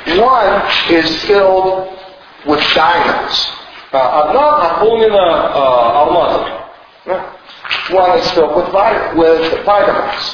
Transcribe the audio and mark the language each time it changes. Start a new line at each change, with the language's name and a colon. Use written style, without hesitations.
English: One is filled with diamonds.
Russian: Одна наполнена алмазами.
English: One is filled with vitamins.